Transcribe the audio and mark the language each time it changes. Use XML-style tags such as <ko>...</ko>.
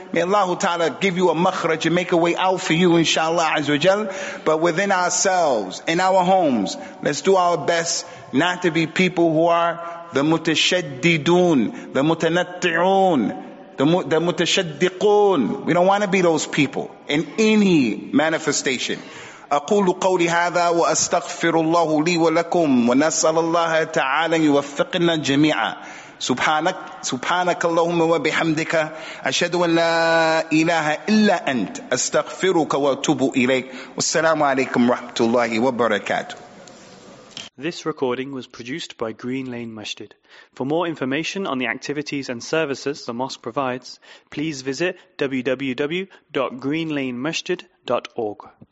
<en>May Allah Ta'ala give you a makhraj and make a way out for you, inshallah, azza wa jal. But within ourselves, in our homes, let's do our best not to be people who are the mutashaddidun, the mutanatti'un, the mutashaddiqun. We don't want to be those people in any manifestation.</en> <ar>أقول قولي هذا وأستغفر الله لي ولكم ونسأل الله تعالى يوفقنا جميعا سبحانك اللهم وبحمدك أشهد أن لا إله إلا أنت أستغفرك وأتوب إليك والسلام عليكم ورحمة الله وبركاته.</ar> <en>This recording was produced by Green Lane Masjid. For more information on the activities and services the mosque provides, please visit www.greenlanemasjid.org.</en>